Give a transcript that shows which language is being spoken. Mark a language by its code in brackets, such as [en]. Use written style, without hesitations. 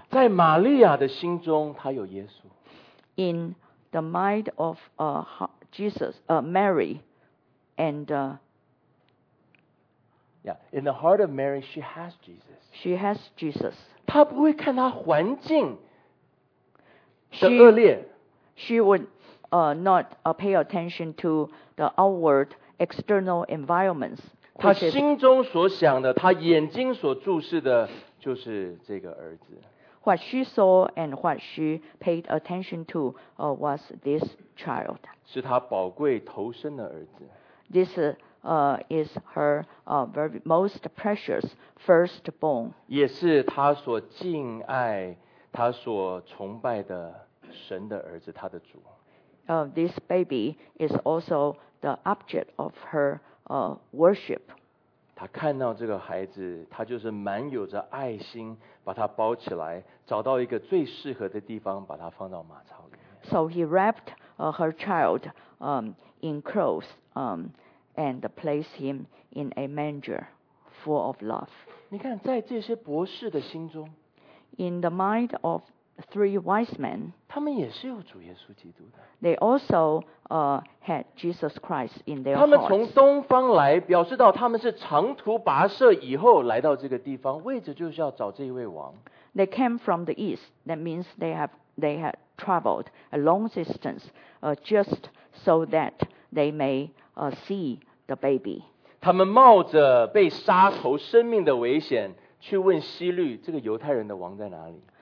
[zh] 在玛利亚的心中，他有耶稣。 [en] In the mind of Jesus, Mary. And in the heart of Mary, she has Jesus. She has Jesus. [zh] 她不会看她环境的恶劣。 [en] She would not pay attention to the outward external environments. [zh] 她心中所想的，她眼睛所注视的，就是这个儿子。 [en] What she saw and what she paid attention to was this child. [zh] 是她宝贵投生的儿子。 [en] This is her very most precious firstborn. [zh] 也是她所敬爱、她所崇拜的神的儿子，她的主。 [en] This baby is also the object of her worship. [zh] 她看到这个孩子，她就是满有着爱心，把他包起来，找到一个最适合的地方，把他放到马槽里面。 [en] So he wrapped her child in clothes. And place him in a manger full of love. [zh] 你看，在这些博士的心中 [en] In the mind of three wise men. [zh] 他们也是有主耶稣基督的。 [en] They also had Jesus Christ in their hearts. [zh] 他们从东方来，表示到他们是长途跋涉以后来到这个地方，为着就是要找这一位王。 [en] They came from the east. That means they had traveled a long distance, just so that they may see the baby. [zh] 他们冒着被杀头生命的危险去问希律这个犹太人的王在哪里。